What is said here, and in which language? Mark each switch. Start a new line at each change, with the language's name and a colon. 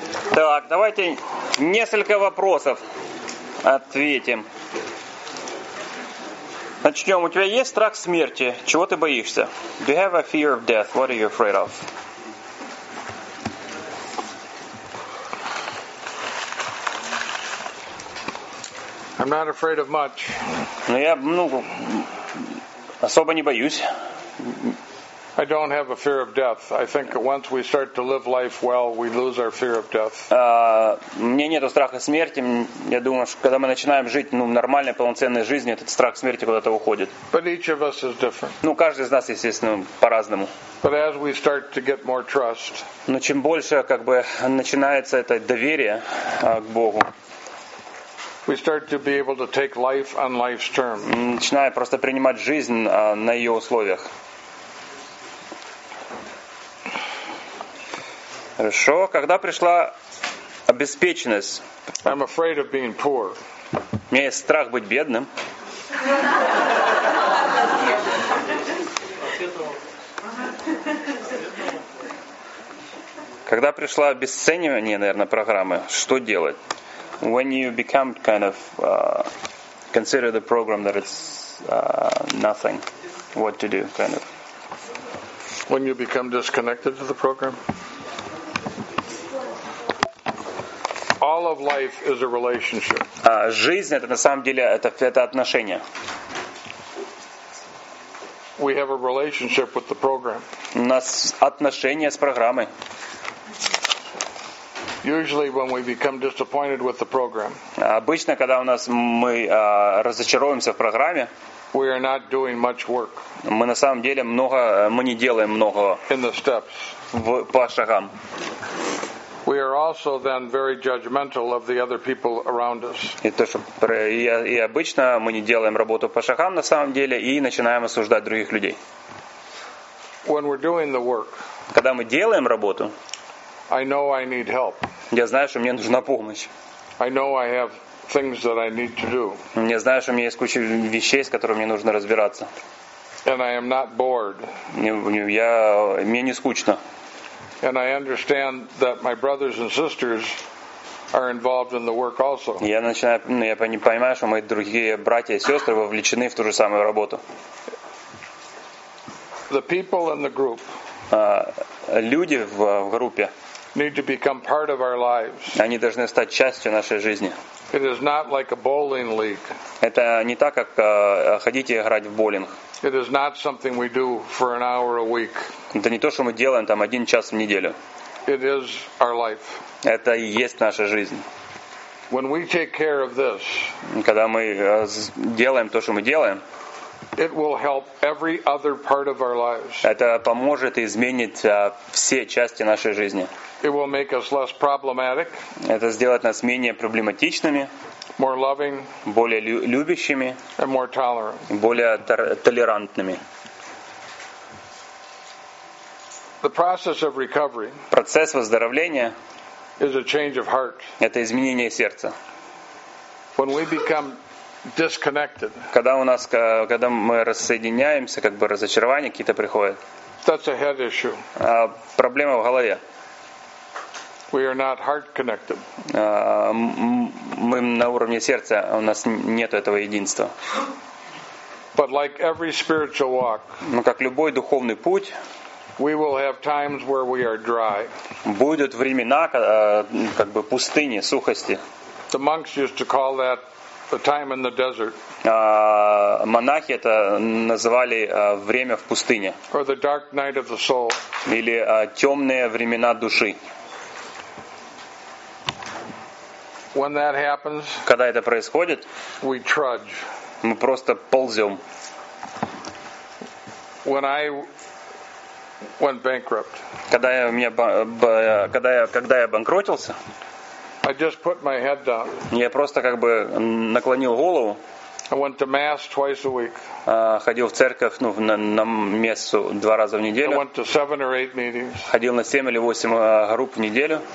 Russian: Так, давайте несколько вопросов ответим. Начнем. У тебя есть страх смерти? Чего ты боишься?
English: Do you have a fear of death? What are you afraid of? I'm not afraid of much.
Russian: Ну, я, ну, особо не боюсь.
English: I don't have a fear of death. I think once we start to live life well, we lose our fear of death.
Russian: Мне нету страха смерти. Я думаю, что когда мы начинаем жить, ну, нормальной, полноценной жизнью, этот страх смерти куда-то уходит.
English: But each of us is different.
Russian: Ну, каждый из нас, естественно, по-разному.
English: But as we start to get more trust.
Russian: Но чем больше, как бы, начинается это доверие к Богу.
English: We start to be able to take life on life's terms.
Russian: Начинаем просто принимать жизнь на ее условиях. Хорошо. Когда пришла обеспеченность?
English: I'm afraid of being poor.
Russian: У меня есть страх быть бедным. Когда пришла обесценивание, наверное, программы, что делать?
English: When you become kind of consider the program that it's nothing, what to do, kind of? When you become disconnected to the program? All of life is a relationship.
Russian: Жизнь это на самом деле это отношения.
English: We have a relationship with the program.
Russian: У нас отношения с программой.
English: Usually when we become disappointed with the program.
Russian: Обычно когда у нас мы разочаровываемся в программе.
English: We are not doing much work.
Russian: Мы на самом деле много мы не делаем много.
English: In the steps.
Russian: По шагам.
English: We are also then very judgmental of the other people around us.
Russian: И обычно мы не делаем работу по шагам на самом деле и начинаем осуждать других людей.
English: When we're doing the work.
Russian: Когда мы делаем работу.
English: I know I need help.
Russian: Я знаю, что мне нужна помощь.
English: I know I have things that I need to do.
Russian: Я знаю, что у меня есть куча вещей, с которыми мне нужно разбираться.
English: And I am not bored.
Russian: Мне не скучно.
English: And I understand that my brothers and sisters are involved in the work also.
Russian: Я понимаю, что мои другие братья и сестры вовлечены в ту же самую работу.
English: The people in the group.
Russian: Люди в группе.
English: Need to become part of our lives.
Russian: Они должны стать частью нашей жизни.
English: It is not like a bowling league.
Russian: Это не так, как ходить и играть в боулинг.
English: It is not something we do for an hour a week.
Russian: Это не то, что мы делаем там один час в неделю.
English: It is our life.
Russian: Это и есть наша жизнь.
English: When we take care of this.
Russian: Когда мы делаем то, что мы делаем.
English: It will help every other part of our lives.
Russian: Это поможет и изменит все части нашей жизни.
English: It will make us less problematic.
Russian: Это сделает нас менее проблематичными.
English: More loving.
Russian: Более любящими.
English: And more tolerant.
Russian: Более толерантными.
English: The process of recovery.
Russian: Процесс выздоровления.
English: Is a change of heart.
Russian: Это изменение сердца.
English: When we become disconnected.
Russian: Когда мы рассоединяемся, как бы разочарования какие-то приходят.
English: That's a head issue.
Russian: Проблема в голове.
English: We are not heart connected.
Russian: Мы на уровне сердца, у нас нет этого единства.
English: But like every spiritual walk.
Russian: Но как любой духовный путь.
English: We will have times where we are dry.
Russian: Будут времена, как бы пустыни, сухости.
English: The monks used to call that. The time in the desert.
Russian: Монахи это называли время в пустыне.
English: Or the dark night of the soul.
Russian: Или темные времена души.
English: When that happens.
Russian: Когда это происходит.
English: We trudge.
Russian: Мы просто ползем.
English: When I went bankrupt.
Russian: Когда я банкротился.
English: I just put my head down.
Russian: Я просто как бы наклонил голову.
English: I went to mass twice a week.
Russian: Ходил в церковь, ну, на мессу два раза в неделю.
English: I went to 7 or 8 meetings.
Russian: Ходил на 7 или 8 групп в неделю.